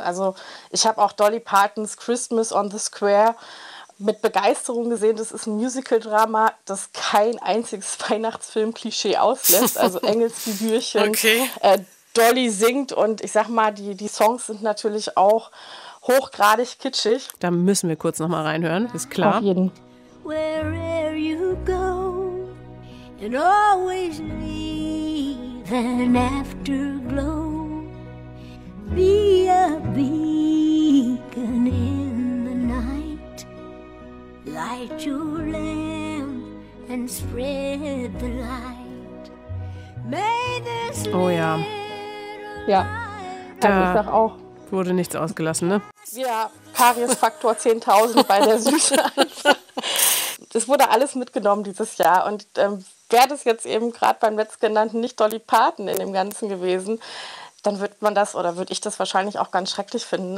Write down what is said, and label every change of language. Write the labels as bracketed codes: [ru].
[de] Also ich habe auch Dolly Partons Christmas on the Square mit Begeisterung gesehen. Das ist ein Musical-Drama, das kein einziges Weihnachtsfilm-Klischee auslässt. Also Engelsfigürchen, okay. Dolly singt und ich sag mal, die Songs sind natürlich auch hochgradig kitschig. Da müssen wir kurz nochmal reinhören, ist klar. Auf jeden. [en] Wherever you go, and always leave an afterglow, be a beacon in the night. Light your lamp and spread the light. May this [de] light. Oh ja. Ja. Da also ich sag auch. Wurde nichts ausgelassen, ne? Ja, Kariesfaktor 10.000 bei der Süße. Das wurde alles mitgenommen dieses Jahr. Und wäre das jetzt eben gerade beim letztgenannten nicht Dolly Parton in dem Ganzen gewesen, dann würde man das oder würde ich das wahrscheinlich auch ganz schrecklich finden.